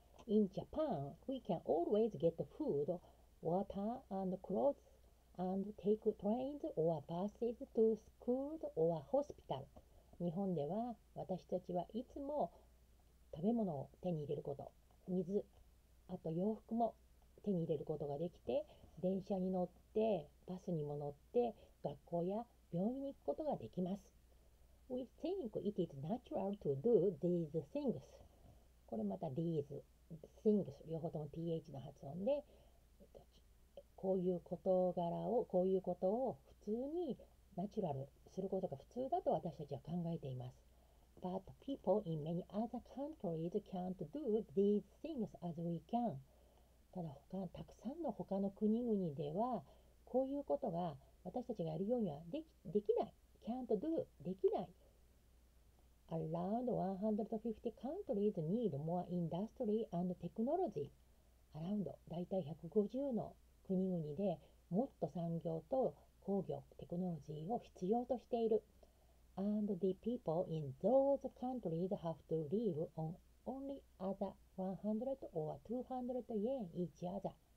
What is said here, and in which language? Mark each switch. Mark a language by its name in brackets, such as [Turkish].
[English] In Japan, we can always get food, water and clothes and take trains or buses to school or hospital. [Japanese] 日本では私たちはいつも食べ物を手に入れること、水、あと洋服も手に入れることができて、電車に乗って、バスにも乗って、学校や病院に行くことができます。 [English] We think it is natural to do these things. [Japanese] これまた these, things, 両方とも th の発音で、こういう事柄を、こういうことを普通にナチュラルすることが普通だと私たちは考えています。 [English] But people in many other countries can't do these things as we can. [Japanese] ただたくさんの他の国々では、こういうことが私たちがやるようにはできない。 [English] can't do、できない。Around 150 countries need more industry and technology. [Japanese] Around、だいたい150の国々でもっと産業と工業、テクノロジーを必要としている。 [English] And the people in those countries have to live on only other 100 or 200 yen each other.